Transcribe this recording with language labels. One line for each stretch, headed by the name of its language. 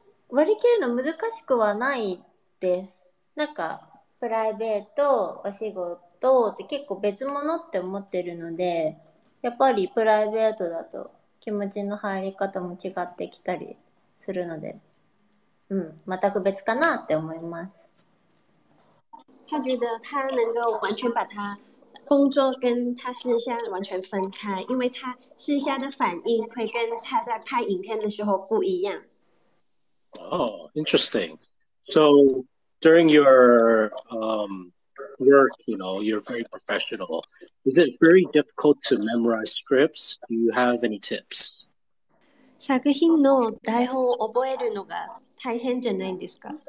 Japanese: 割り切るの難しくはないです。なんか、プライベート、お仕事って結構別物って思ってるので、やっぱりプライベートだと気持ちの入り方も違ってきたりするので、うん、全く別かなって思います。
Chinese: 他觉得他能够完全把他工作跟他私下完全分开，因为他私下的反应会跟他在拍影片的时候不一样。
English: Oh, interesting. So during your work, you know, you're very professional. Is it very difficult to memorize scripts? Do you have any tips?
Japanese: 作品の台本を覚えるのが大変じゃないですか？